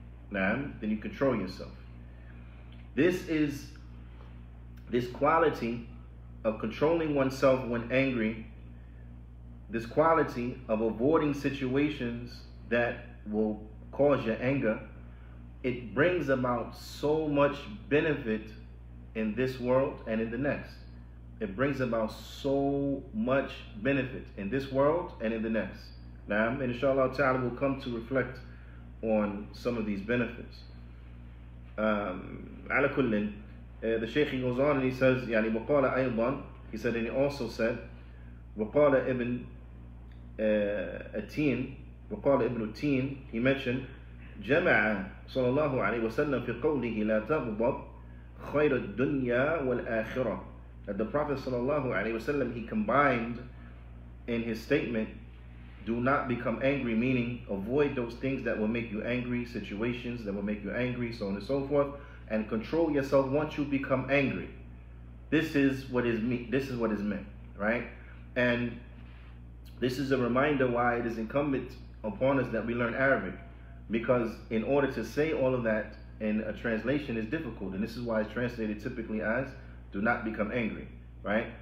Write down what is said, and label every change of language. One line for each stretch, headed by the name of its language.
English: Naam, then you control yourself. This quality of controlling oneself when angry, this quality of avoiding situations that will cause your anger, it brings about so much benefit in this world and in the next. It brings about so much benefit in this world and in the next. Now, inshallah ta'ala, we'll come to reflect on some of these benefits.
Arabic: Ala kullin,
English: the Shaykh, he goes on and he says,
Arabic: يعني وقال أيضا,
English: he said, and he also said,
Arabic: وقال ابن التين, وقال ابن التين,
English: he mentioned,
Arabic: جمع صلى الله عليه وسلم في قوله لا تغضب خير الدنيا والآخرة.
English: That the Prophet sallallahu alaihi wasallam, he combined in his statement, do not become angry, meaning avoid those things that will make you angry, situations that will make you angry, so on and so forth, and control yourself once you become angry. This is what is meant, right? And this is a reminder why it is incumbent upon us that we learn Arabic, because in order to say all of that in a translation is difficult, and this is why it's translated typically as do not become angry, right?